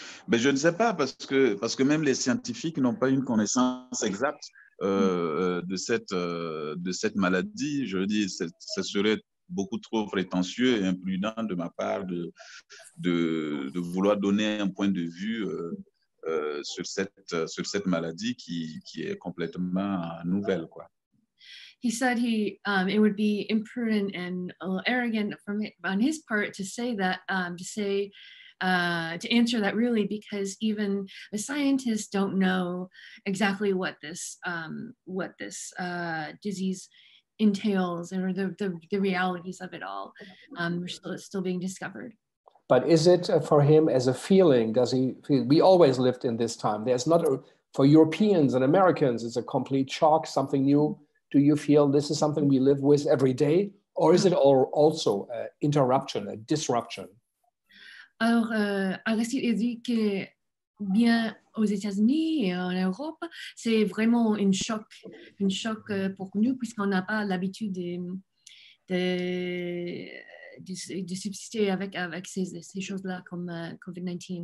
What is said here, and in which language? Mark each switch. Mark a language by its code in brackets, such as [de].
[fr] Mais je ne sais pas parce que même les scientifiques n'ont pas une connaissance exacte de cette maladie. Je veux dire, ça serait beaucoup trop prétentieux et imprudent de ma part de vouloir donner un point de vue sur cette maladie qui est complètement nouvelle, quoi. [en] He said it would be imprudent and a little arrogant on his part to say that to answer that really, because even the scientists don't know exactly what this disease entails or the realities of it all. We're still being discovered. But is it for him as a feeling? Does he feel we always lived in this time? There's not a for Europeans and Americans, it's a complete shock, something new. Do you feel this is something we live with every day? Or is it also an interruption, a disruption? [fr] Alors, Aristide a dit que bien aux États-Unis et en Europe, c'est vraiment un choc pour nous, puisqu'on n'a pas l'habitude de subsister avec ces choses-là comme COVID-19.